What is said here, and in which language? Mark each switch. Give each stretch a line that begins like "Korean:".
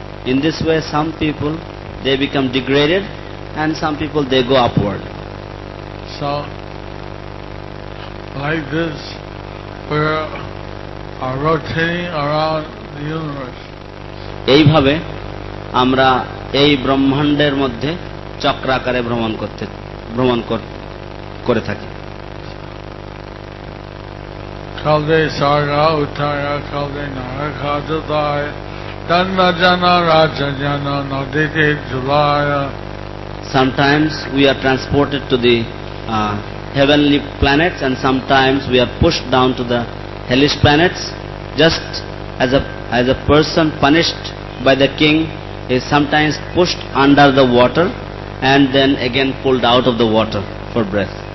English: In this way, some people, they become degraded and some people, they go upward. So, like this, we're rotating around the universe.
Bangla: এইভাবে আমরা এই ব্রহ্মাণ্ডের মধ্যে চক্রাকারে ভ্রমণ করে থাকি. কালে সাগা উঠায়া কালে নারাখা জোতায় দন্ন জন রাজ জন নদীতে জুলায়া.
English: Sometimes we are transported to the heavenly planets and sometimes we are pushed down to the hellish planets. Just as a person punished by the king is sometimes pushed under the water and then again pulled out of the water for breath.